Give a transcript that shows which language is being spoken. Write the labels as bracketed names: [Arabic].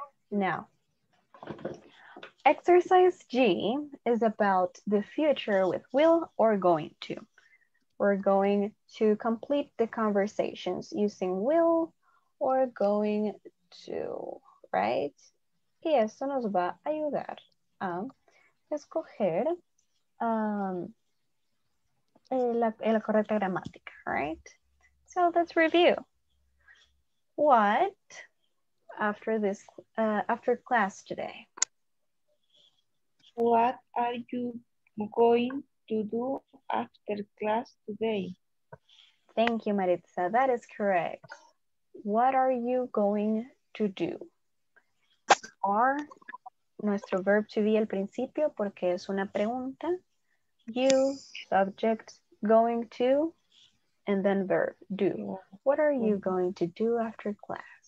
[English] Now, exercise G is about the future with will or going to. We're going to complete the conversations using will or going to, right? [Spanish] Y eso nos va a ayudar a escoger la correcta gramática, [English] right? So let's review. What after this, after class today? What are you going to do after class today? Thank you, Maritza. That is correct. What are you going to do? Are [Spanish] nuestro [English] verb to be [Spanish] al principio porque es una pregunta. [English] You, subject, going to, and then verb, do. What are you going to do after class?